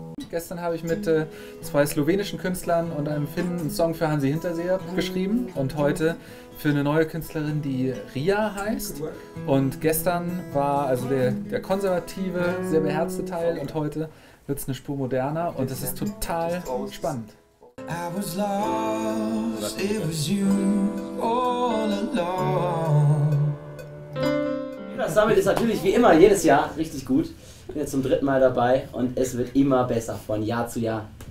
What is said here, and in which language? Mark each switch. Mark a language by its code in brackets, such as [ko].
[de] Gestern habe ich mit zwei slowenischen Künstlern und einem Finnen einen Song für Hansi Hinterseher geschrieben und heute für eine neue Künstlerin, die Ria heißt. Und gestern war also der konservative, sehr beherzte Teil und heute wird es eine Spur moderner und es ist total spannend. [en] I was lost, it was you all along. [de] Das Summit ist natürlich wie immer jedes Jahr richtig gut. Ich bin jetzt zum dritten Mal dabei und es wird immer besser von Jahr zu Jahr.